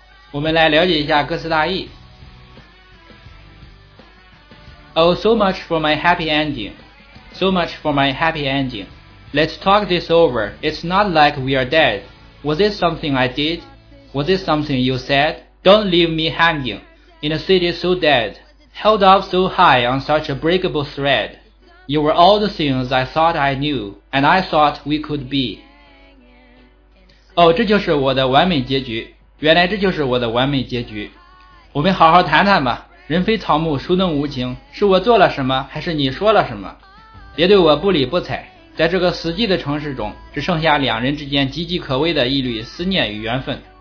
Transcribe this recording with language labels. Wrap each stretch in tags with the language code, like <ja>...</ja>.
<zh>我们来了解一下歌词大意。</zh> <en>Oh, so much for my happy ending. So much for my happy ending. Let's talk this over. It's not like we are dead. Was it something I did? Was it something you said? Don't leave me hanging in a city so dead. Held up so high on such a breakable thread. You were all the things I thought I knew, and I thought we could be.</en> <zh>Oh, 这就是我的完美结局。原来这就是我的完美结局。我们好好谈谈吧。人非草木，孰能无情？是我做了什么，还是你说了什么？别对我不理不睬。在这个死寂的城市中，只剩下两人之间岌岌可危的一缕思念与缘分。</zh>